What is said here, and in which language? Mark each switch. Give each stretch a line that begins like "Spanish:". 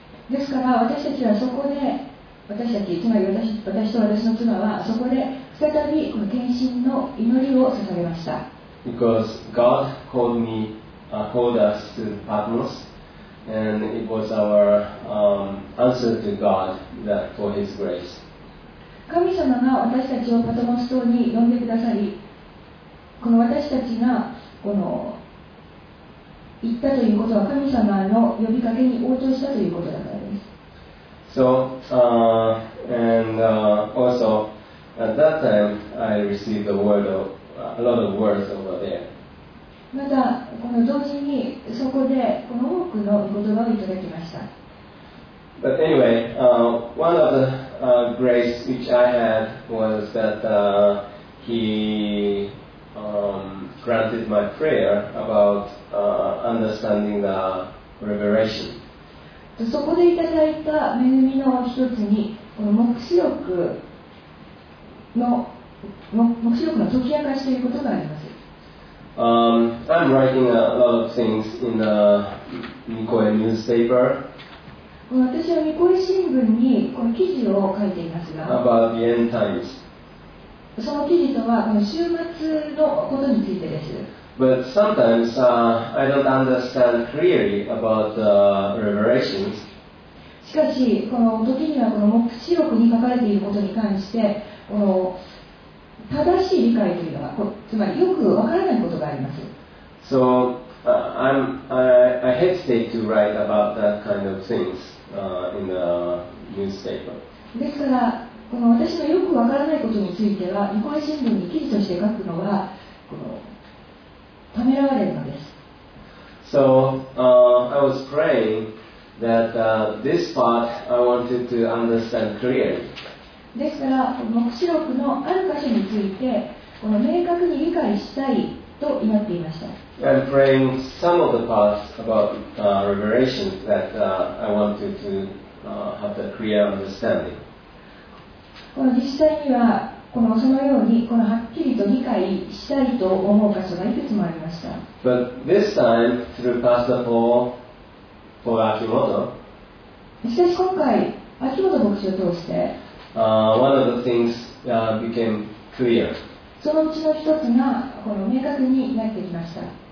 Japanese: ですから私たちはそこで、私たち、つまり 私と私の妻はそこで再びこの献身の祈りを捧げました。
English: Because God called me, called us to Patmos, and it was our answer to God that for His grace.
Japanese: 神様が私たちをパトモス島に呼んでくださり、この私たちがこの行ったということは神様の呼びかけに応答したということだからです。
English: So, and also at that time I received a word of, a lot of words over there.
Japanese: またこの同時にそこでこの多くの言葉をいただきました。
English: But anyway, one of the grace which I had was that he granted my prayer about understanding the revelation.
Japanese: そこでいただいた恵みの一つに、この黙示録の解き明かしということがあります。
English: I'm writing a lot of things in the Nikkoi newspaper.
Japanese: 私はニコイ新聞にこの記事を書いていますが、
English: About the end times.
Japanese: その記事とはこの終末のことについてです。
English: But sometimes, I don't understand clearly about the revelations.
Japanese: しかし、この時にはこの黙示録に書かれていることに関して、この正しい理解というのが、つまりよくわからないことがあります。
English: So,I hesitate to write about that kind of things in the newspaper.
Japanese: ですから、この私のよくわからないことについては、日本新聞に記事として書くのはこのためらわれるのです。
English: So, I was praying that this part I wanted to understand clearly.
Japanese: ですから、黙示録のある箇所についてこの明確に理解したい。と祈っていました。
English: I'm praying some of the parts about revelation that I want you to have the clear understanding.
Japanese: この実際にはこのそのようにこのはっきりと理解したいと思う箇所がいくつもありました。
English: But this time through Pastor Paul Akimoto.
Japanese: しかし今回秋元牧師を通して、
English: one of the things became clear.
Japanese: そのうちの一つがこの明確になってきました。